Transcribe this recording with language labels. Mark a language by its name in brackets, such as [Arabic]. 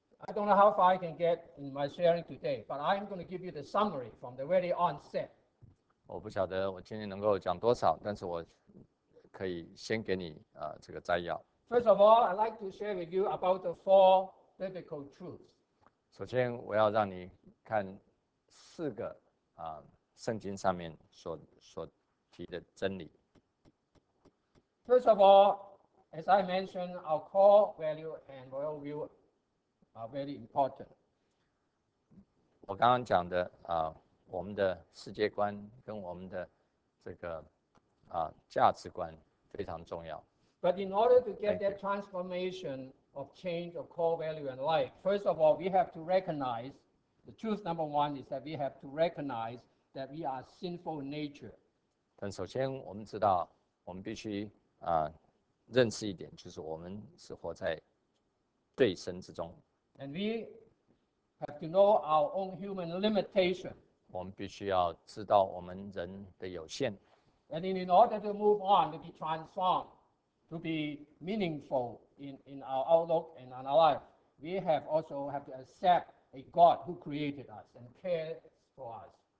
[English] I don't know how far I can get in my sharing today, but I'm going to give you the summary from the very onset. [Chinese] 我不晓得我今天能够讲多少，但是我可以先给你这个摘要。 [English] First of all, I'd like to share with you about the four biblical truths. [Chinese] 首先我要让你看四个圣经上面所提的真理。 [English] First of all, as I mentioned, our core value and worldview are very important. [Chinese] 我刚刚讲的我们的世界观跟我们的这个价值观非常重要。 [English] But in order to get that transformation of change of core value and life, first of all, we have to recognize the truth number one is that we have to recognize that we are sinful in nature. [Chinese] 但首先我们知道，我们必须认识一点，就是我们是活在罪身之中。 [English] And we have to know our own human limitation. [Chinese] 我们必须要知道我们人的有限。 [English] And in order to move on to be transformed. To be meaningful in our outlook and in our life, we have also have to accept a God who created us and cares for us.